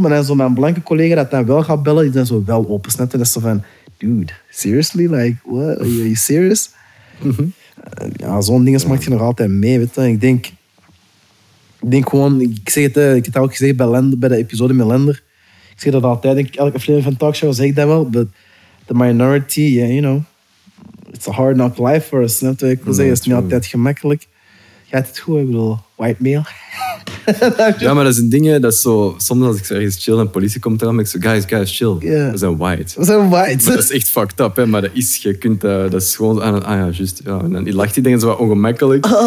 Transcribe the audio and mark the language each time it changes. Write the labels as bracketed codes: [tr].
[nl] Maar dan zo mijn blanke collega dat dan wel gaat bellen, die zijn zo wel open, snap je? Dat is zo van, [en] dude, seriously? Like, what? Are you serious? [nl] Ja, zo'n ding maakt je nog altijd mee, weet je? En ik denk gewoon, ik zeg het, ik heb het ook gezegd bij Lender, bij de episode met Lender. Ik zeg dat altijd, denk ik, elke aflevering van talkshow zeg ik dat wel. [en] But the minority, yeah, you know, it's a hard knock life for us. [nl] Snap je? Ik wil zeggen, het is niet altijd gemakkelijk. Gaat het goed? Ik bedoel, [en] white male. [nl] Ja, maar dat is een ding, dat is zo, soms als ik zeg, is chill en politie komt eraan, ik zeg, [en] guys, chill. Yeah. [nl] We zijn white. We zijn white. Maar dat is echt fucked up, hè? Maar dat is, je kunt, dat is gewoon, ah ja, juist. Ja. En dan lacht die dingen zo wat ongemakkelijk.